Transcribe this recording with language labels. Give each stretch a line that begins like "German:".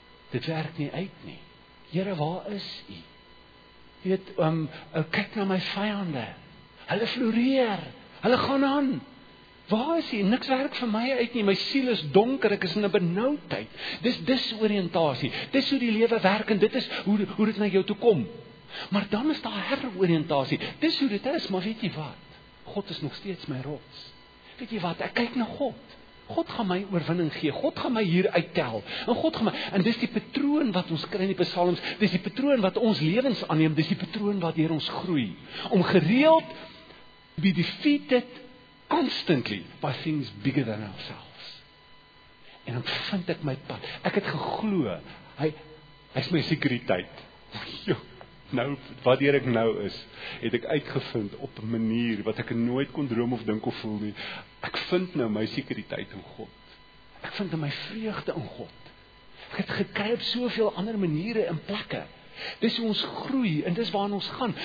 Afrikaans: Dit werk nie uit nie. Here, waar is U? Jy weet, kyk na my vyande. Hulle floreer. Hulle gaan aan. Waar is jy? Niks werk vir my uit nie. My siel is donker, ek is in 'n benoudheid. Dis disoriëntasie. Dis hoe die lewe werk en dit is hoe dit na jou toe kom. Maar dan is daar heroriëntasie. Dis hoe dit is, maar weet jy wat? God is nog steeds my rots. Weet jy wat? Ek kyk na God. God gaan my oorwinning gee. God gaan my hier uittel. En God gaan my, en dis die patroon wat ons kry in die psalms. Dis die patroon wat ons lewens aanneem. Dis die patroon wat deur ons groei. Om gereeld
English: to be defeated constantly by things bigger than ourselves.
Afrikaans: En dan vind ek my pad. Ek het geglo, hy is my sekuriteit. Nou, wat hier ek nou is, het ek uitgevind op 'n manier wat ek nooit kon droom of dink of voel nie. Ek vind nou my sekuriteit in God. Ek vind my vreugde in God. Ek het gekry op soveel ander maniere en plekke. Dis hoe ons groei en dis waar ons gaan.